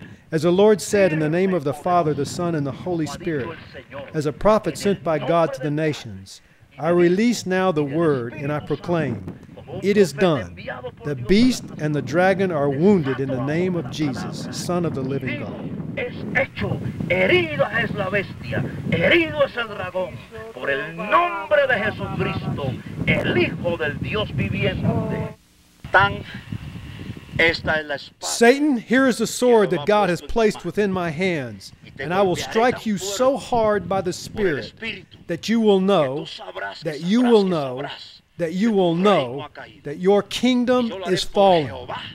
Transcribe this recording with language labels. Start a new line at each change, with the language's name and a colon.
English: As the Lord said, in the name of the Father, the Son, and the Holy Spirit, as a prophet sent by God to the nations, I release now the word and I proclaim, "It is done. The beast and the dragon are wounded in the name of Jesus, Son of the living God."
Spanish: Es hecho. Herida es la bestia. Herido es el dragón. Por el nombre de Jesucristo, el Hijo del Dios viviente. Tan.
English: Satan, here is the sword that God has placed within my hands, and I will strike you so hard by the Spirit that you will know, that you will know, that you will know that your kingdom is fallen.